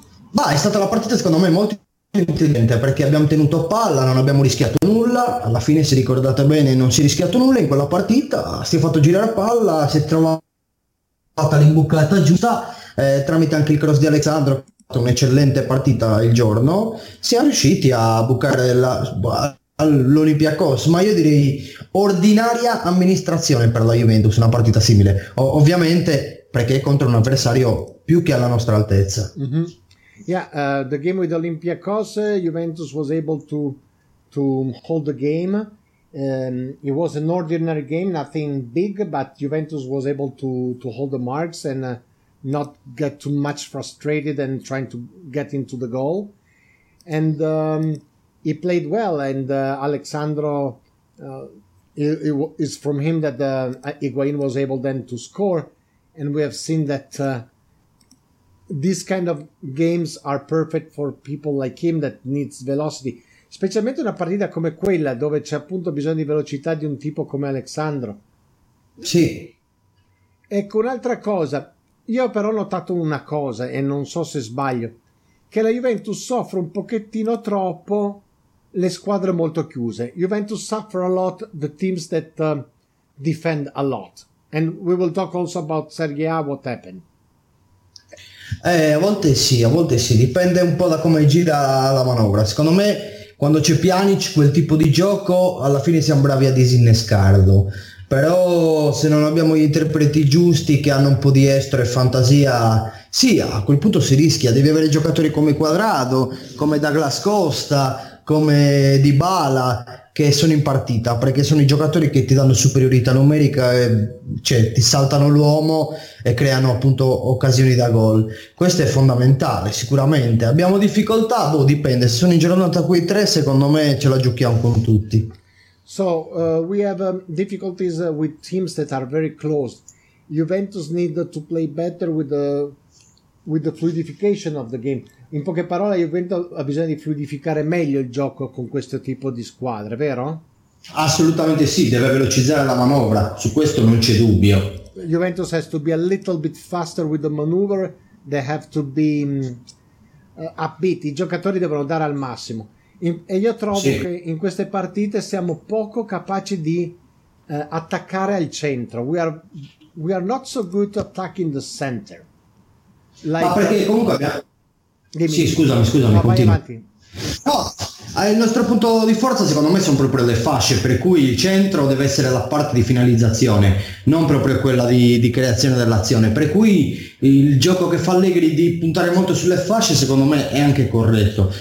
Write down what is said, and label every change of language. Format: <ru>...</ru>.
<it>Bah, è stata una partita secondo me molto intelligente, perché abbiamo tenuto palla, non abbiamo rischiato nulla, alla fine, se ricordate bene, non si è rischiato nulla in quella partita, si è fatto girare palla, si è trovata l'imbucata giusta, tramite anche il cross di Alessandro, che ha fatto un'eccellente partita il giorno, si è riusciti a bucare all'Olympiacos, ma io direi ordinaria amministrazione per la Juventus, una partita simile, ovviamente perché è contro un avversario più che alla nostra altezza. Mm-hmm.</it> <en>Yeah, the game with Olympiacos, Juventus was able to hold the game It was an ordinary game, nothing big, but Juventus was able to hold the marks and not get too much frustrated and trying to get into the goal. And he played well, and Alexandro, it is from him that Higuain was able then to score. And we have seen that these kind of games are perfect for people like him that needs velocity.</en> <it>Specialmente una partita come quella dove c'è appunto bisogno di velocità di un tipo come Alexandro. Sì. Ecco, un'altra cosa. Io però ho notato una cosa, e non so se sbaglio, che la Juventus soffre un pochettino troppo le squadre molto chiuse.</it> <en>Juventus suffer a lot the teams that defend a lot. And we will talk also about Serie A, what happened.</en> <it>A volte sì, a volte sì. Dipende un po' da come gira la manovra. Secondo me, quando c'è Pjanic, quel tipo di gioco, alla fine siamo bravi a disinnescarlo. Però se non abbiamo gli interpreti giusti che hanno un po' di estro e fantasia, sì, a quel punto si rischia. Devi avere giocatori come Cuadrado, come Douglas Costa, come Dybala, che sono in partita, perché sono i giocatori che ti danno superiorità numerica, e, cioè ti saltano l'uomo e creano appunto occasioni da gol. Questo è fondamentale, sicuramente. Abbiamo difficoltà? Boh, dipende. Se sono in giornata quei tre, secondo me ce la giochiamo con tutti.</it> <en>So, we have difficulties with teams that are very close. Juventus need to play better with the fluidification of the game.</en> <it>In poche parole, Juventus ha bisogno di fluidificare meglio il gioco con questo tipo di squadre, vero? Assolutamente sì, deve velocizzare la manovra, su questo non c'è dubbio.</it> <en>Juventus has to be a little bit faster with the maneuver, they have to be upbeat,</en> <it>i giocatori devono dare al massimo. E io trovo sì, che in queste partite siamo poco capaci di attaccare al centro.</it> <en>We are not so good to attack in the center.</en> <it>Like, ma perché comunque abbiamo... Sì, scusami, continua. No, il nostro punto di forza secondo me sono proprio le fasce, per cui il centro deve essere la parte di finalizzazione, non proprio quella di creazione dell'azione. Per cui il gioco che fa Allegri di puntare molto sulle fasce secondo me è anche corretto.</it>